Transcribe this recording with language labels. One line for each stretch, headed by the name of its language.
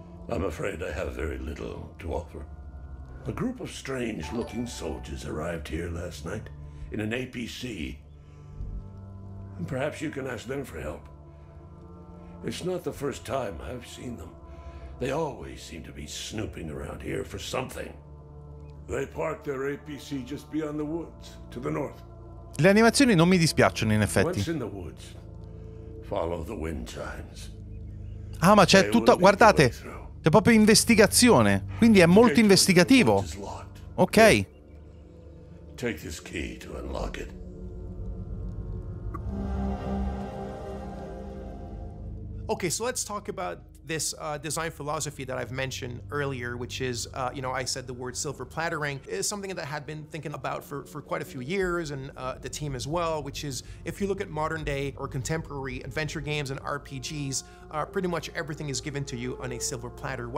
English: I'm afraid I have very little to offer. A group of strange-looking soldiers arrived here last night in an APC. And perhaps you can ask them for help. It's not the first time I've seen them. They always seem to be snooping around here for something. They parked their APC just beyond the woods, to the north.
Italian: Le animazioni non mi dispiacciono, in effetti.
English: What's in the woods? Follow the wind chimes.
Italian: Ah, ma c'è tutto... Guardate! È proprio investigazione, quindi è molto investigativo. Ok.
English: Take this key to unlock it. Okay, so let's talk about this design philosophy that I've mentioned earlier, which is, you know, I said the word silver plattering is something that I had been thinking about for quite a few years, and the team as well, which is, if you look at modern day or contemporary adventure games and RPGs, pretty much everything is given to you on a silver platter.